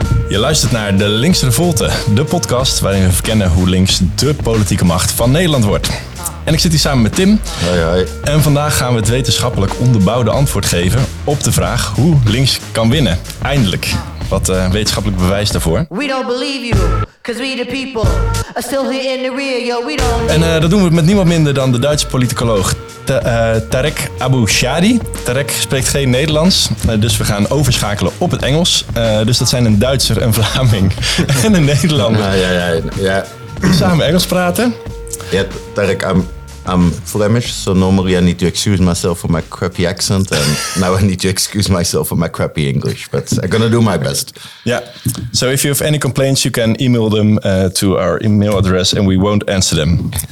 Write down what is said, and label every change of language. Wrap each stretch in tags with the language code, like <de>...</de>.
<nl>luistert naar De Linkse Revolte, de podcast waarin we verkennen hoe links de politieke macht van Nederland wordt. En ik zit hier samen met Tim. Hoi, hoi. En vandaag gaan we het wetenschappelijk onderbouwde antwoord geven op de vraag hoe links kan winnen. Eindelijk. Wat wetenschappelijk bewijs daarvoor.</nl> <en>We don't believe you, cause we the people are still here in the rear. Yo, we don't...</en> <nl>En dat doen we met niemand minder dan de Duitse politicoloog Tarek Abu Shadi. Tarek spreekt geen Nederlands, dus we gaan overschakelen op het Engels. Dus dat zijn een Duitser, een Vlaming en een Nederlander. Ja. Samen Engels praten.</nl> <en>Ja, Tarek, I'm Flemish, so normally I need to excuse myself for my crappy accent, and now I need to excuse myself for my crappy English, but I'm gonna do my best. Yeah, so if you have any complaints, you can email them to our email address and we won't answer them.</en>